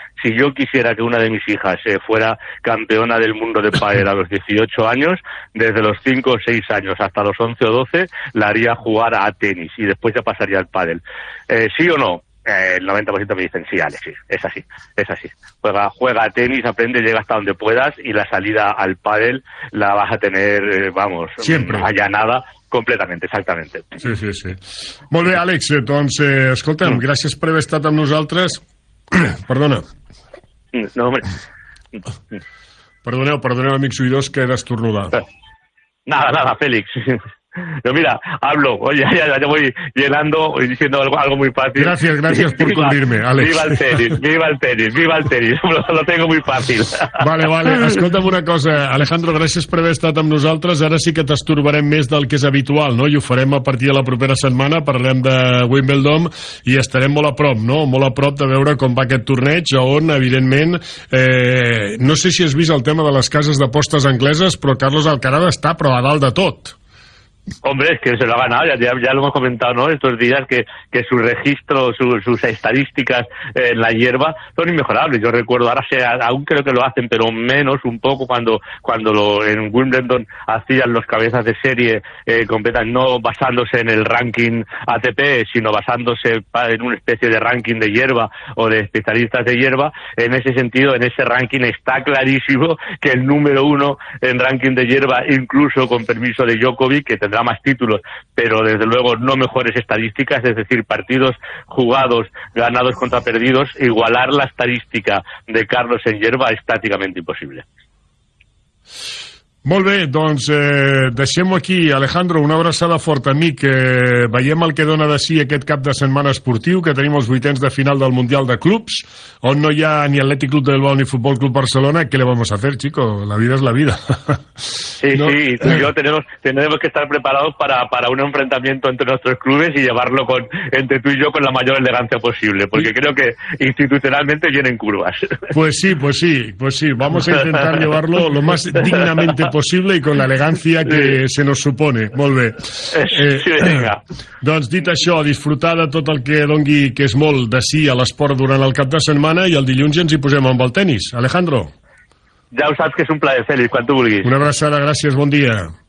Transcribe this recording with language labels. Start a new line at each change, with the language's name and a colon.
Spanish: Si yo quisiera que una de mis hijas fuera campeona del mundo de pádel a los 18 años, desde los 5 o 6 años hasta los 11 o 12, la haría jugar a tenis y después ya pasaría al pádel. ¿Sí o no? El 90% me dicen sí, Alex, sí, es así. Juega tenis, aprende, llega hasta donde puedas, y la salida al pádel la vas a tener, vamos, siempre allanada completamente, exactamente. Sí, sí, sí.
Catalan: Molt bé, Àlex, doncs, escolta'm, gràcies per haver estat amb nosaltres. Perdona. No, home. Perdoneu, amics oïdors, que he d'estornudar.
Spanish: Nada, Félix. No, mira, hablo, oye, ya voy llenando, diciendo algo muy fácil. Gracias, gracias por cundirme, Alex. Viva el tenis, viva el tenis, viva el tenis, lo tengo muy fácil.
Catalan: Vale, vale, escolta'm una cosa, Alejandro, gràcies per haver estat amb nosaltres, ara sí que t'estorbarem més del que és habitual, no? I ho farem a partir de la propera setmana, parlem de Wimbledon i estarem molt a prop, no? Molt a prop de veure com va aquest torneig, on, evidentment, no sé si has vist el tema de les cases d'apostes angleses, però Carlos Alcaraz està però a dalt de tot.
Spanish: Hombre, es que se lo ha ganado, ya lo hemos comentado, ¿no? Estos días que su registro, sus estadísticas en la hierba son inmejorables. Yo recuerdo, ahora aún creo que lo hacen, pero menos un poco cuando en Wimbledon hacían los cabezas de serie completas, no basándose en el ranking ATP, sino basándose en una especie de ranking de hierba o de especialistas de hierba. En ese sentido, en ese ranking está clarísimo que el número uno en ranking de hierba, incluso con permiso de Djokovic, que tendrá más títulos, pero desde luego no mejores estadísticas, es decir, partidos jugados, ganados contra perdidos, igualar la estadística de Carlos en hierba es prácticamente imposible.
Catalan: Molt bé, doncs deixem aquí, Alejandro, una abraçada forta, amic, veiem el que dona de si aquest cap de setmana esportiu, que tenim els vuitens de final del Mundial de Clubs, on no hi ha ni Atlètic Club de Bilbao ni Futbol Club Barcelona.
Spanish: ¿Qué le vamos a hacer, chico? La vida es la vida. Sí, ¿no? Sí, tú y yo tenemos que estar preparados para un enfrentamiento entre nuestros clubes y llevarlo entre tú y yo con la mayor elegancia posible, porque creo que institucionalmente vienen curvas. Pues sí, pues sí, pues sí, vamos a intentar llevarlo lo más dignamente
Catalan: possible i
Spanish: con
Catalan: l'elegància
Spanish: que sí. Se nos supone.
Catalan: Molt bé. Doncs dit això, disfrutar de tot el que dongui, que és molt de sí a l'esport durant el cap de setmana, i el dilluns ens hi posem amb el tenis. Alejandro. Ja ho saps que és un plaer, Félix, quan tu vulguis. Una abraçada, gràcies, bon dia.